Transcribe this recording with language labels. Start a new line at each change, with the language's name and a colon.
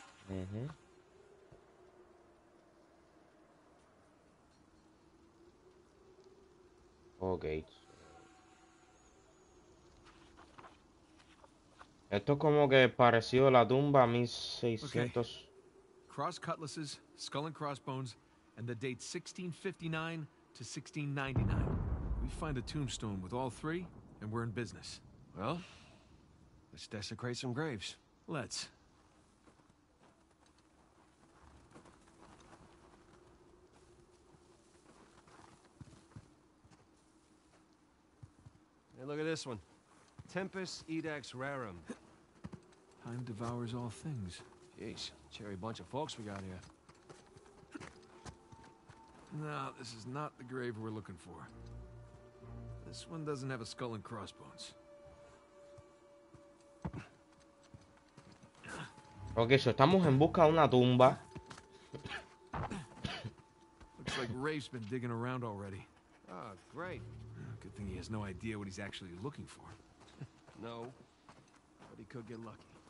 Spanish: Uh-huh. Ok. Esto es como que parecido a la tumba 1600. Okay.
English: Cross cutlasses, skull and crossbones, and the date 1659 to 1699. We find a tombstone with all three, and we're in business. Well, let's desecrate some graves. Let's. Hey, look at this one.
Latin: Tempus edax rarum.
English: Time devours all things. Jeez, cherry bunch of folks we got here. No, this is not the grave we're looking for. This one doesn't have a skull and crossbones.
Spanish: Okay, so estamos en busca de una tumba.
English: Looks like Rafe's been digging around already. Oh, great. Good thing he has no idea what he's actually looking for. No, but he could get lucky.